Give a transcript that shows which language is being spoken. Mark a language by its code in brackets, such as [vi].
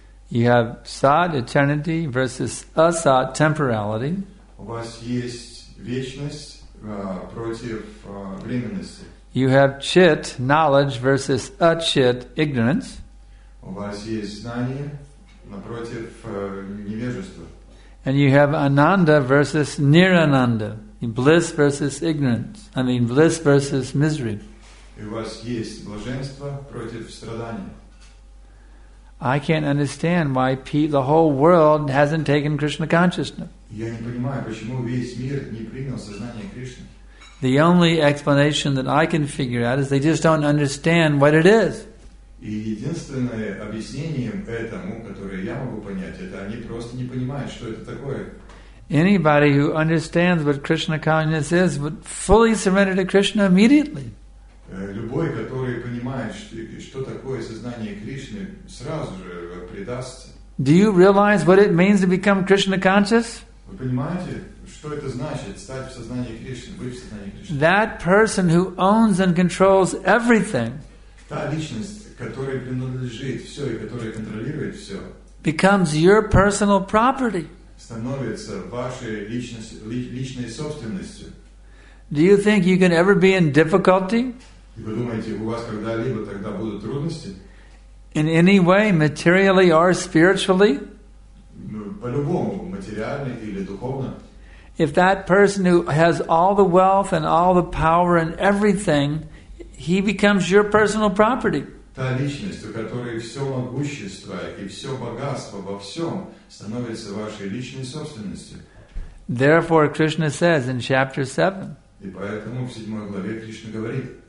[en] You have sat, eternity, versus asat, temporality. [ru] У вас есть вечность против временности. [en] You have chit, knowledge, versus achit, ignorance. [ru] У вас есть знание напротив невежества. [en] And you have ananda versus nirananda, bliss versus ignorance. Bliss versus misery. [ru] И у вас есть блаженство против страдания. [en] I can't understand why the whole world hasn't taken Krishna consciousness. [ru] Я не понимаю, почему весь мир не принял сознание Кришны. [en] The only explanation that I can figure out is they just don't understand what it is. [ru] И единственное объяснение этому, которое я могу понять, это они просто не понимают, что это такое. [en] Anybody who understands what Krishna consciousness is would fully surrender to Krishna immediately. [ru] Любой, который понимает, что такое сознание Кришны, сразу же предастся. [en] Do you realize what it means to become Krishna conscious? [ru] Вы понимаете, что это значит стать в сознании Кришны, быть в сознании Кришны? [en] That person who owns and controls everything. [ru] Та личность, которая принадлежит все и которая контролирует все. [en] Becomes your personal property. [ru] Становится вашей личной собственностью. [en] Do you think you can ever be in difficulty? [ru] Вы думаете, у вас когда-либо тогда будут трудности? [en] In any way, materially or spiritually? [ru] По-любому, материально или духовно. [en] If that person who has all the wealth and all the power and everything, he becomes your personal property. [ru] Та личность, у которой все могущество и все богатство во всем, становится вашей личной собственностью. [en] Therefore, Krishna says in chapter 7, [ru] и поэтому в 7 главе Кришна говорит.